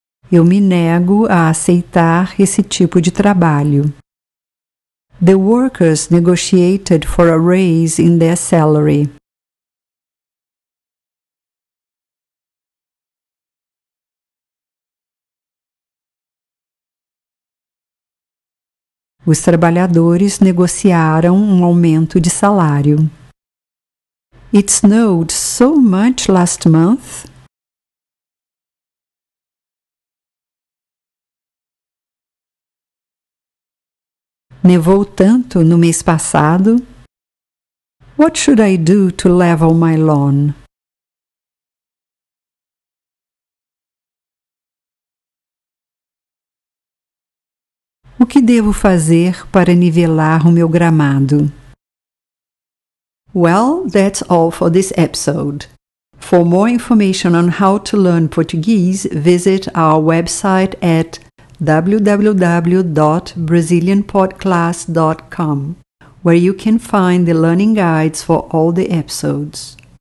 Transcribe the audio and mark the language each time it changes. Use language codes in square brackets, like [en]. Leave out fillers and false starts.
[pt] Eu me nego a aceitar esse tipo de trabalho. [en] The workers negotiated for a raise in their salary. [pt] Os trabalhadores negociaram um aumento de salário. [en] It snowed so much last month. [pt] Nevou tanto no mês passado. [en] What should I do to level my lawn? [pt] O que devo fazer para nivelar o meu gramado? [en] Well, that's all for this episode. For more information on how to learn Portuguese, visit our website at www.brazilianpodclass.com, where you can find the learning guides for all the episodes.